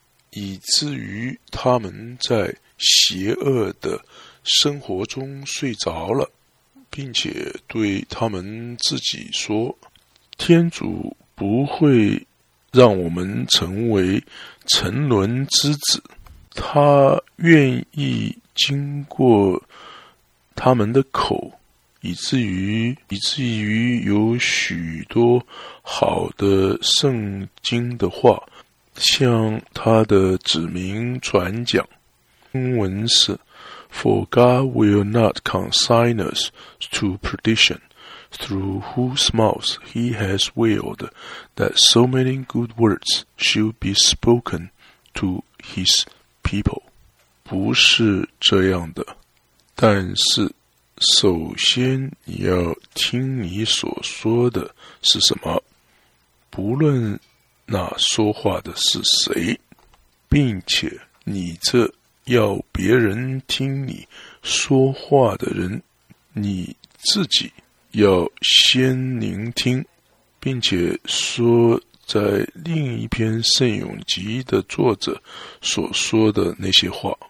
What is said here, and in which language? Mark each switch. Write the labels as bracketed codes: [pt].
[zh] 以至于他们在邪恶的生活中睡着了，并且对他们自己说，天主不会让我们成为沉沦之子，他愿意经过他们的口，以至于有许多好的圣经的话向他的子民传讲。英文是 [en] For God will not consign us to perdition, through whose mouth he has willed that so many good words should be spoken to his people. [zh] 不是这样的，但是首先你要听你所说的是什么，不论那说话的是谁，并且你这要别人听你说话的人，你自己要先聆听，并且说在另一篇圣咏集的作者所说的那些话。